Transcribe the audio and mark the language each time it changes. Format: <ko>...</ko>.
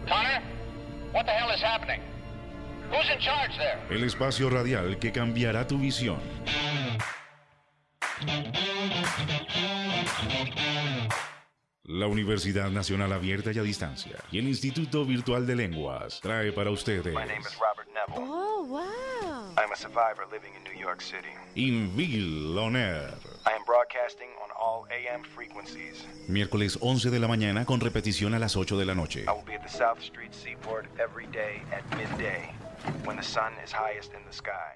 <en>Connor, what the hell is happening? Who's in charge there?</en> <es>El espacio radial que cambiará tu visión. La Universidad Nacional Abierta y a Distancia y el Instituto Virtual de Lenguas trae para ustedes.</es> <en>My name is Robert Neville. Oh, wow. I'm a survivor living in New York City. Invil on Air. I am broadcasting on all AM frequencies.</en> <es>Miércoles 11 de la mañana con repetición a las 8 de la noche.</es> <en>I will be at the South Street Seaport every day at midday when the sun is highest in the sky.</en>